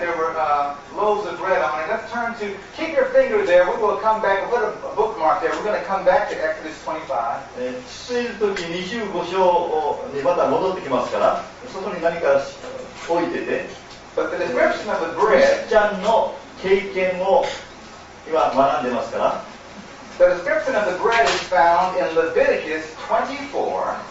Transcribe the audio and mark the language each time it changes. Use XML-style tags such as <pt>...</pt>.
<en>There were loaves of bread on it. Let's turn to, keep your finger there. We will come back, put a bookmark there. We're going to come back to Exodus 25.</en> <ja>章にまた戻ってきますから、そこに何か置いてて、</ja> <en>But the description of the bread,</en> <ja>クリスチャンの経験を今学んでますから、</ja> <en>The description of the bread is found in Leviticus 24.</en>